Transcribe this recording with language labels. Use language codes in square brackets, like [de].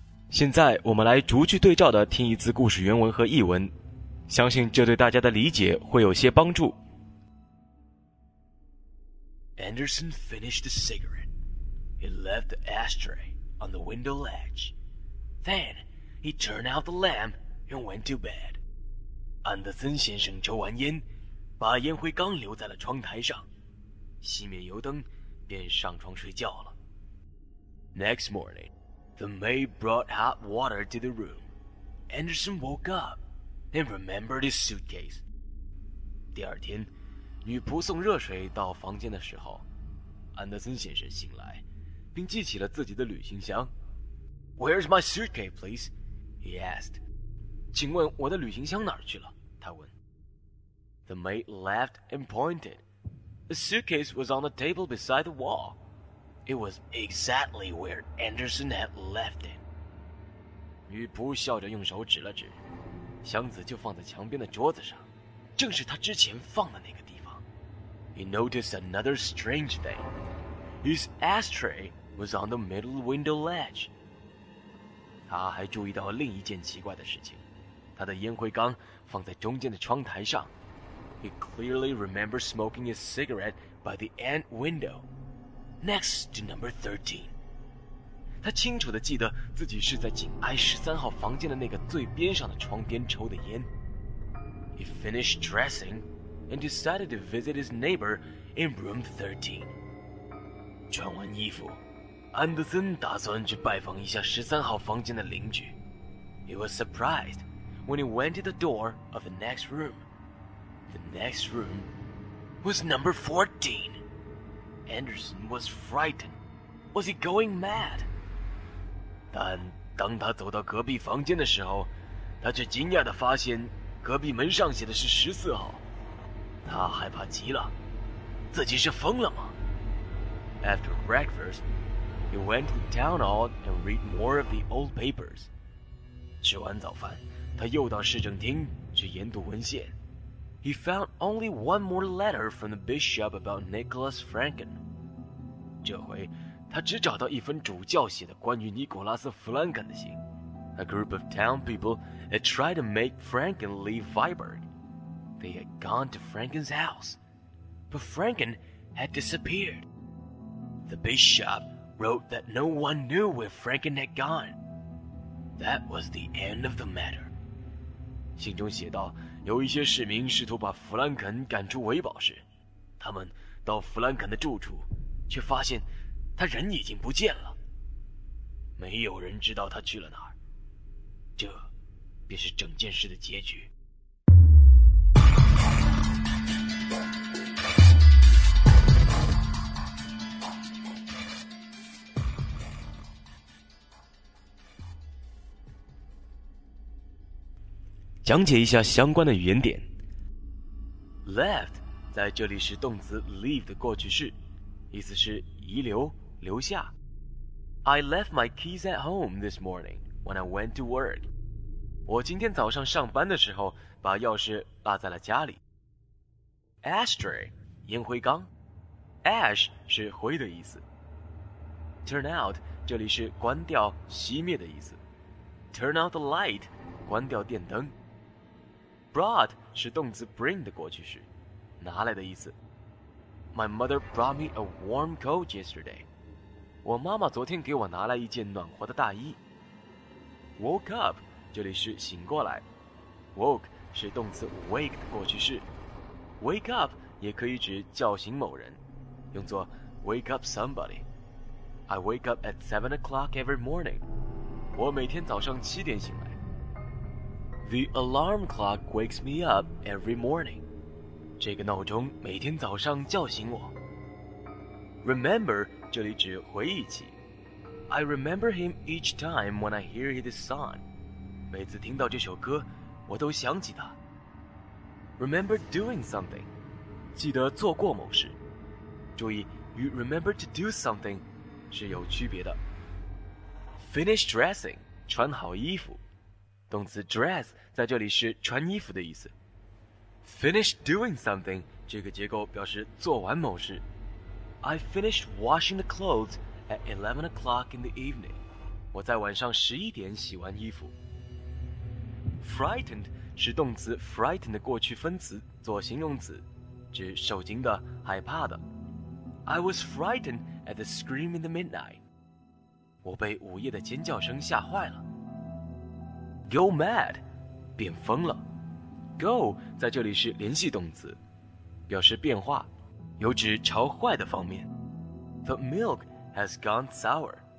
[zh] 现在我们来逐句对照的听一次故事原文和译文，相信这对大家的理解会有些帮助。 [en] Anderson finished the cigarette. He left the ashtray on the window ledge. Then he turned out the lamp and went to bed. [zh] Anderson 先生抽完烟，把烟灰缸留在了窗台上，熄灭油灯，便上床睡觉了。 [en] Next morning, the maid brought hot water to the room. Anderson woke up and remembered his suitcase. [zh] 第二天，女仆送热水到房间的时候，安德森先生醒来并记起了自己的旅行箱。 [en] Where's my suitcase, please? He asked. [zh] 请问我的旅行箱哪儿去了？他问。 [en] The maid laughed and pointed. The suitcase was on the table beside the wall. It was exactly where Anderson had left it. [zh] 女仆笑着用手指了指，箱子就放在墙边的桌子上，正是他之前放的那个地方。 [en] He noticed another strange thing. His ashtray was on the middle window ledge. [zh] 他还注意到另一件奇怪的事情。他的烟灰缸放在中间的窗台上。 [en] He clearly remembers smoking his cigarette by the end window, next to number 13. [zh] 他清楚地记得自己是在紧挨13号房间的那个最边上的窗边抽的烟。 [en] He finished dressing and decided to visit his neighbor in room 13. [zh] 穿完衣服，安德森打算去拜访一下13号房间的邻居。 [en] He was surprised when he went to the door of the next room. The next room was number 14. Anderson was frightened. Was he going mad? [zh] 但当他走到隔壁房间的时候，他却惊讶地发现隔壁门上写的是14号。他害怕极了，自己是疯了吗？ [en] After breakfast, he went to the town hall and read more of the old papers. [zh] 吃完早饭，他又到市政厅去研读文献。 [en] He found only one more letter from the bishop about Nicholas Franken. [zh] 这回，他只找到一封主教写的关于尼古拉斯·弗兰肯的信。 [en] A group of town people had tried to make Franken leave Viberg. They had gone to Franken's house, but Franken had disappeared. The bishop wrote that no one knew where Franken had gone. That was the end of the matter. [zh] 信中写道，有一些市民试图把弗兰肯赶出维堡时，他们到弗兰肯的住处，却发现他人已经不见了。没有人知道他去了哪儿。这便是整件事的结局。讲解一下相关的语言点。 Left 在这里是动词 leave 的过去式，意思是遗留、留下。 [en] I left my keys at home this morning when I went to work. [zh] 我今天早上上班的时候把钥匙落在了家里。 Ashtray 烟灰缸 ，Ash 是灰的意思。 Turn out 这里是关掉、熄灭的意思。 [en] Turn out the light [zh] 关掉电灯。 Brought 是动词 bring 的过去式，拿来的意思。 [en] My mother brought me a warm coat yesterday. [zh] 我妈妈昨天给我拿来一件暖和的大衣。 Woke up 这里是醒过来。Woke 是动词 wake 的过去式。 Wake up 也可以指叫醒某人，用作 [en] wake up somebody. I wake up at 7 o'clock every morning. [zh] 我每天早上七点醒来。 [en] The alarm clock wakes me up every morning. [zh] 这个闹钟每天早上叫醒我。 Remember, 这里指回忆起。 [en] I remember him each time when I hear his song. [zh] 每次听到这首歌，我都想起他。 [en] Remember doing something. [zh] 记得做过某事。注意，与 [en] remember to do something [zh] 是有区别的。 [en] Finish dressing, [zh] 穿好衣服。动词 dress 在这里是穿衣服的意思。 [en] Finish doing something [zh] 这个结构表示做完某事。 [en] I finished washing the clothes at 11 o'clock in the evening. [zh] 我在晚上十一点洗完衣服。 Frightened 是动词 frightened 的过去分词做形容词，指受惊的、害怕的。 [en] I was frightened at the scream in the midnight. [zh] 我被午夜的尖叫声吓坏了。 Go mad, 变疯了。 Go 在这里是联系动词，表示变化，有指朝坏的方面。 [en] The milk has gone sour,